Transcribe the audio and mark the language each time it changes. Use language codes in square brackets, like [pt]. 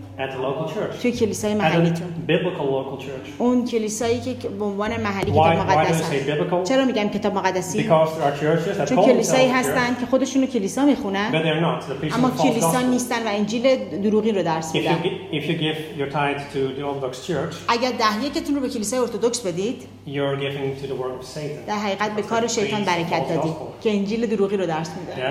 [en] At the local church. [fa] توی کلیسای محلیتون. [en] At a biblical local church. [fa] اون کلیسایی که به عنوان محلی [en] why, [fa] کتاب مقدس [en] است. Biblical? [fa] چرا میگم کتاب مقدسی؟ [en] Because there are churches that call themselves church. [fa] چون کلیسایی هستن که خودشون رو کلیسا میخونن. [en] But they're not. They're preaching [fa] اما کلیسا نیستن و انجیل دروغی رو درس میدن. [en] If you give your tithe to the Orthodox church. [fa] اگر دهیتتون رو به کلیسای ارتدوکس بدید. [en] You're giving to the work of Satan. [fa] در حقیقت به کار شیطان برکت دادی که انجیل دروغی رو درس میده.